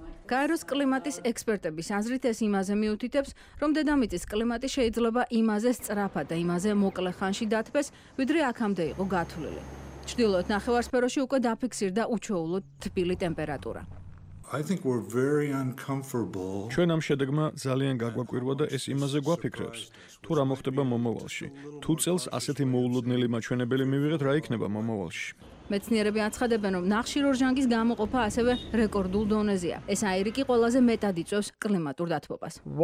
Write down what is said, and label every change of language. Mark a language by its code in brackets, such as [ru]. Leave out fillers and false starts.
[ka] კაიროს კლიმატის ექსპერტების აზრით ეს იმაზე მიუთითებს, რომ დედამიწის კლიმატი შეიძლება იმაზე სწრაფად და იმაზე მოკლე ხანში დათბეს, ვიდრე აქამდე იყო გათვლილი. ჩრდილოეთ ნახევარსფეროში უკვე დაფიქსირდა უჩვეულო თბილი ტემპერატურა. [en] I think we're very uncomfortable. [ka] ჩვენ ამ შედეგმა ძალიან გაგვაკვირვა და ეს იმაზე გვაფიქრებს, თუ რა მოხდება მომავალში. თუ წელს ასეთი მოულოდნელი მაჩვენებელი მივიღეთ, რა იქნება მომავალში? მეცნიერები აცხადებენ, რომ ნახშირორჟანგის გამოყოფა ასევე რეკორდულ დონეზეა. ეს აირიკი ყველაზე მეტად იწვევს კლიმატურ დათბობას.